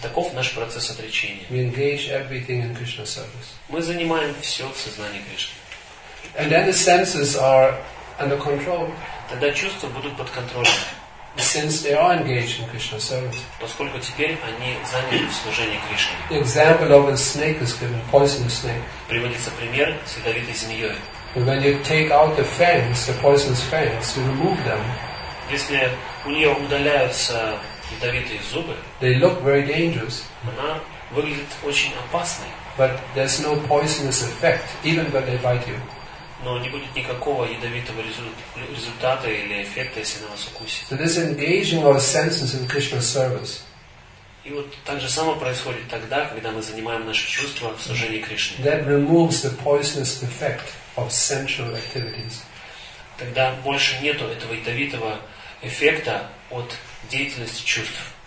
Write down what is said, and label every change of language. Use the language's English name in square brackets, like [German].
[Russian] Таков наш процесс отречения. [English] We engage everything in Krishna service. [Russian] Мы занимаем все в сознании Кришны. [English] And then the senses are under control. [Russian] Тогда чувства будут под контролем. [English] Since they are engaged in Krishna service. [Russian] Поскольку теперь они заняты в служении Кришне. [English] The example of a snake is given, poisonous snake. [Russian] Приводится пример с ядовитой змеей. [English] When you take out the fangs, the poisonous fangs, you remove them. [Russian] Если у нее удаляются ядовитые зубы. [English] They look very dangerous. [Russian] Она выглядит очень опасной. [English] But there's no poisonous effect, even when they bite you. [Russian] Но не будет никакого ядовитого результата или эффекта, если она вас укусит. [English] So this engaging our senses in Krishna's service. [Russian] И вот так же самое происходит тогда, когда мы занимаем наши чувства в служении Кришне. [English] That removes the poisonous effect of sensual activities. [Russian] Тогда больше нету этого ядовитого эффекта от деятельности чувств.